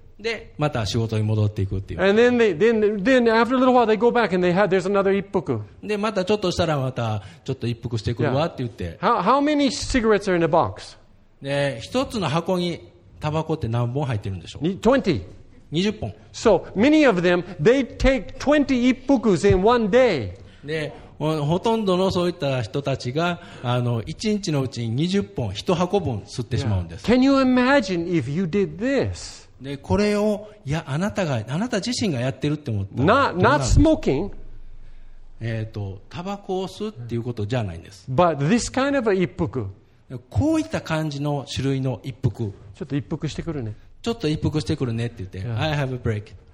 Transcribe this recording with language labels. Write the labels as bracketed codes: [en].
[ja] で、また仕事に戻っていくっていう。 [en] And then, then after a little while they go back and there's another 一服。 [ja] で、またちょっとしたらまたちょっと一服してくるわって言って。 [en] Yeah. How many cigarettes are in a box? [ja] で、一つの箱にタバコって何本入ってるんでしょう？ [en] 20 [ja] 本。 [en] So many of them, they take 20 ippukus in one day. [ja] で、ほとんどのそういった人たちが、一日のうちに20本、一箱分吸ってしまうんです。 [en] Yeah. Can you imagine if you did this? [ja] で、これを、いや、あなた自身がやってるって思った [en] ら、not smoking. [ja] タバコを吸うっていうことじゃないんです。 [en] But this kind of a 一服。 [ja] こういった感じの種類の一服、ちょっと一服してくるね、ちょっと一服してくるねって言って、 [en] yeah. I have a break.